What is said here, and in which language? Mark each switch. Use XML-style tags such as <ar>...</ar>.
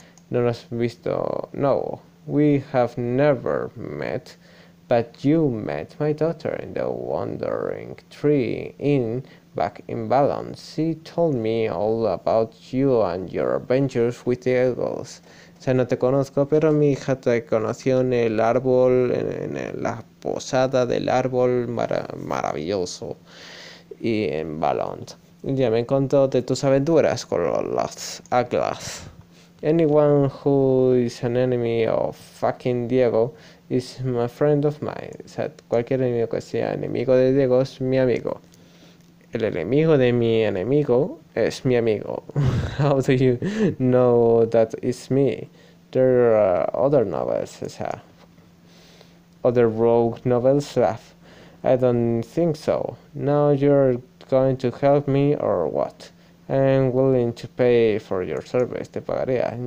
<es>No nos has visto.</es> <en>No, we have never met. But you met my daughter in the Wandering Tree Inn back in Valence. She told me all about you and your adventures with the eagles.</en> <es>O sea, no te conozco, pero mi hija te conoció en el árbol, en la posada del árbol maravilloso y en Valence. Ya me contó de tus aventuras con las águilas.</es> <en>Anyone who is an enemy of fucking Diego is my friend of mine.</en> <es>O sea, cualquier enemigo que sea enemigo de Diego es mi amigo. El enemigo de mi enemigo es mi amigo.</es> <en>How do you know that is me? There are other novels, o sea, other rogue novels left. I don't think so. Now you're going to help me or what? I'm willing to pay for your service,</en> <es>te pagaría.</es>